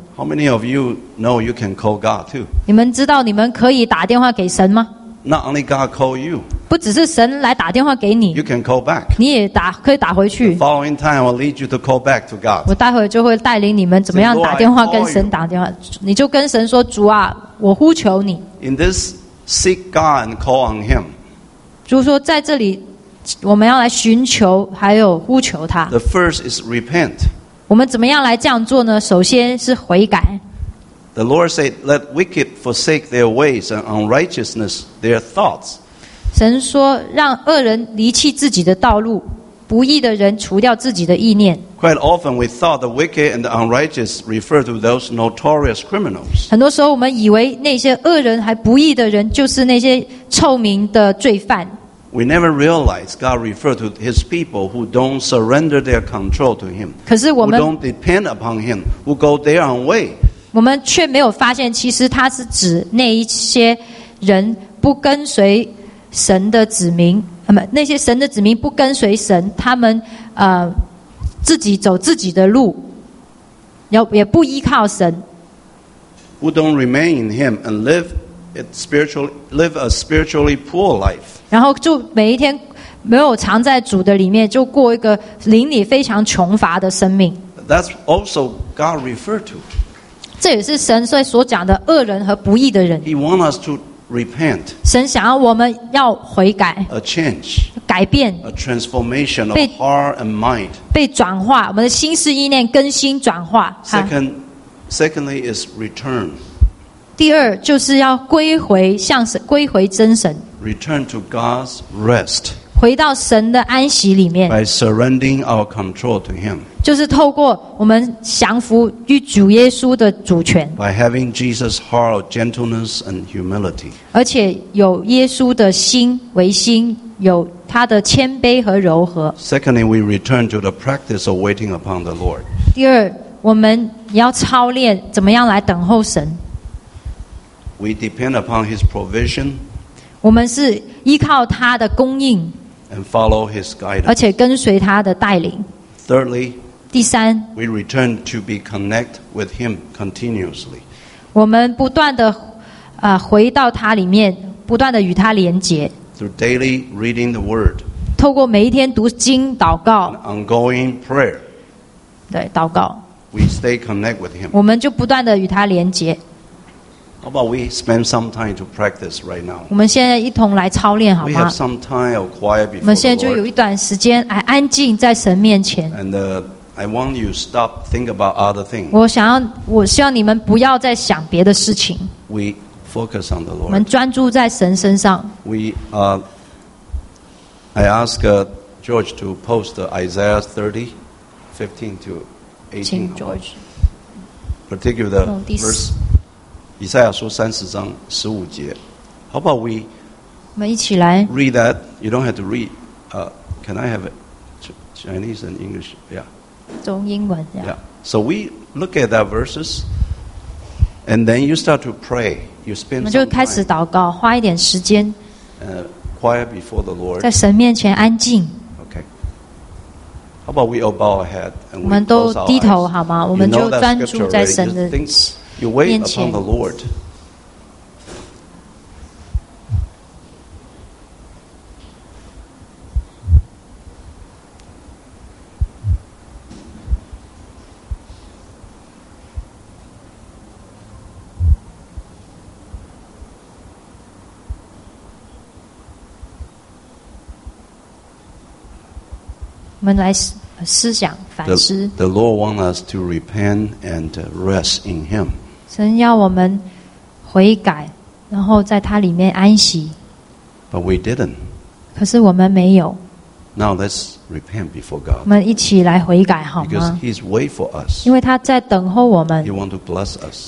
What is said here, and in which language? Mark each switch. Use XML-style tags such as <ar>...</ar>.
<en>How many of you know you can call God too?</en> <zh>你们知道你们可以打电话给神吗?</zh> <en>Not only God call you.</en> <zh>不只是神来打电话给你。</zh> <en>You can call back.</en> <zh>你也打,可以打回去。</zh> <en>The following time I'll lead you to call back to God.</en> <zh>我待会就会带领你们怎么样打电话跟神打电话。你就跟神说,主啊,我呼求你。</zh> <en>In this, seek God and call on Him.</en> <zh>就是说在这里,我们要来寻求,还有呼求他。</zh> <en>The first is repent.</en> <zh>我们怎么样来这样做呢？首先是悔改。</zh> <en>The Lord said, "Let wicked forsake their ways and unrighteousness their thoughts."</en> <zh>神说，让恶人离弃自己的道路，不义的人除掉自己的意念。</zh> <en>Quite often, we thought the wicked and the unrighteous refer to those notorious criminals.</en> <zh>很多时候，我们以为那些恶人还不义的人，就是那些臭名的罪犯。</zh> <en>We never realize God referred to His people who don't surrender their control to Him.</en> <zh>可是我们</zh> <en>who don't depend upon Him, who go their own way.</en> <zh>我们却没有发现，其实他是指那一些人不跟随神的子民，那些神的子民不跟随神，他们自己走自己的路，也不依靠神。</zh> <en>Who don't remain in Him and live a spiritually poor life.</en> <zh>然后就每一天没有藏在主的里面，就过一个灵里非常穷乏的生命。</zh> <en>That's also God referred to.</en> <zh>这也是神所讲的恶人和不义的人。</zh> <en>He wants us to repent.</en> <zh>神想要我们要悔改。</zh> <en>A change.</en> <zh>改变。</zh> <en>A transformation of heart and mind.</en> <zh>被转化，我们的心思意念更新转化。</zh> <en>Secondly is return.</en> <zh>第二就是要归回向神，归回真神。</zh> <en>Return to God's rest.</en> <zh>回到神的安息里面。</zh> <en>By surrendering our control to Him.</en> <zh>就是透过我们降服于主耶稣的主权。</zh> <en>By having Jesus' heart of gentleness and humility.</en> <zh>而且有耶稣的心为心，有他的谦卑和柔和。</zh> <en>Secondly, we return to the practice of waiting upon the Lord.</en> <zh>第二，我们要操练怎么样来等候神。</zh> <en>We depend upon His provision.</en> <zh>我们是依靠他的供应。</zh> <en>And follow His guidance.</en> <zh>而且跟随他的带领。</zh> <en>Thirdly,</en> <zh>第三,</zh> <en>we return to be connect with Him continuously.</en> <zh>我们不断的回到他里面，不断的与他连结。</zh> <en>Through daily reading the Word.</en> <zh>透过每一天读经祷告。</zh> <en>Ongoing prayer.</en> <zh>对，祷告。</zh> <en>We stay connect with Him.</en> <zh>我们就不断的与他连结。</zh> <en>How about we spend some time to practice right now?</en> <zh>我们现在一同来操练好吗?</zh> <en>We have some time of quiet before the Lord.</en> <zh>我们现在就有一段时间来安静在神面前。</zh> <en>And I want you to stop thinking about other things.</en> <zh>我希望你们不要再想别的事情。</zh> <en>We focus on the Lord.</en> <zh>我们专注在神身上。</zh> <en>I ask George to post Isaiah 30, 15 to 18.</en> <zh>请 George.</zh> <en>Particularly the verse...</en> <zh>以赛亚书三十章十五节</zh> <en>How about we</en> <zh>我们一起来</zh> <en>read that You don't have to read Can I have Chinese and English Yeah</en> <zh>中英文 yeah.</zh> <en>yeah So we look at that verses And then you start to pray You spend some time</en> <zh>我们就开始祷告花一点时间</zh> <en>Quiet before the Lord</en> <zh>在神面前安静</zh> <en>Okay How about we all bow our head and</en> <zh>我们都低头好吗我们就专注在神的</zh> <en>you know that scripture You wait upon the Lord.</en> <zh>We'll来思想反思。</zh> <en>The Lord wants us to repent and rest in Him.</en> <zh>神要我们悔改，然后在他里面安息。</zh> <en>But we didn't.</en> <zh>可是我们没有。</zh> <en>Now let's repent before God.</en> <zh>我们一起来悔改好吗？</zh> <en>Because He's waiting for us.</en> <zh>因为他在等候我们。</zh> <en>He wants to bless us.</en>